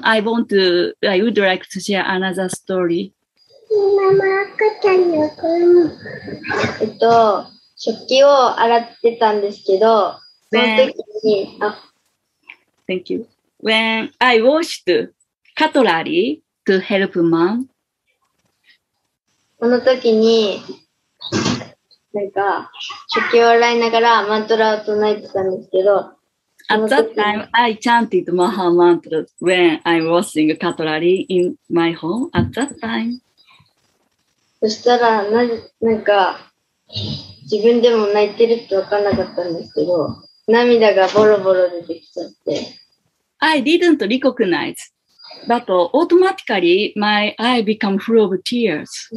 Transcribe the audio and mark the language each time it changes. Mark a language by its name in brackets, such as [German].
[English] I want to, I would like to share another story. [Japanese] 今も赤ちゃんの子も。食器を洗ってたんですけど、 [English] When I washed cutlery to help mom, [Japanese] その時に、なんか、食器を洗いながらマントラを唱えてたんですけど、 [English] At that time, I chanted Maha Mantra when I was washing cutlery in my home. At that time. [Japanese] そしたら、なんか、自分でも泣いてるって分からなかったんですけど、涙がボロボロ出てきちゃって。 [English] I didn't recognize. But automatically, my eye became full of tears.